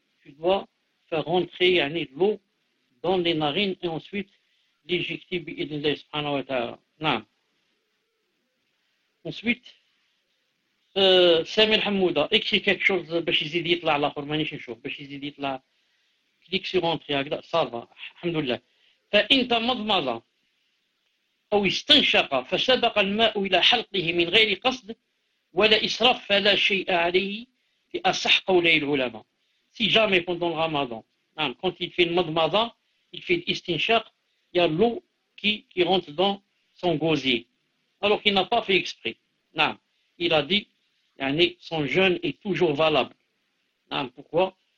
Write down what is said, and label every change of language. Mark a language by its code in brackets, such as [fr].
[fr] Tu dois faire rentrer yani, l'eau dans les narines et ensuite l'éjecter bi'idhnillah subhanahu wa ta'ala. Ensuite, Samir Hamouda, écris quelque chose, Bachizidit la Khurmanish, Bachizidit la clique sur entrer, ça va, alhamdoulilah. [ar] فإن تمضمض أو استنشق فسبق الماء إلى حلقه من غير قصد ولا إسراف فلا شيء عليه في أصح قولي العلماء. [fr] Si jamais pendant le ramadan, quand il fait le madmada, il fait l'istinchaq, il y a l'eau qui rentre dans son gosier. Alors qu'il n'a pas fait exprès. Il a dit, son jeûne est toujours valable. Pourquoi?